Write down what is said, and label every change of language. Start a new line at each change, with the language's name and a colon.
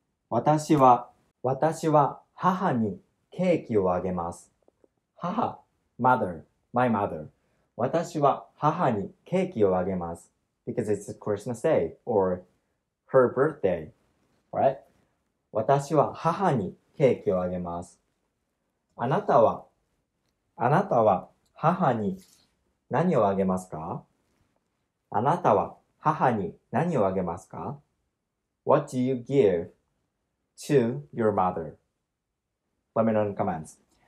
Japanese: 私は母にケーキをあげます。
English: 母、mother, my mother.
Japanese: 私は母にケーキをあげます。
English: Because it's a Christmas day or her birthday, right?
Japanese: 私は母にケーキをあげます。あなたは母に何をあげますか？あなたは母に何をあげますか？
English: What do you give to your mother? Let me know in the comments.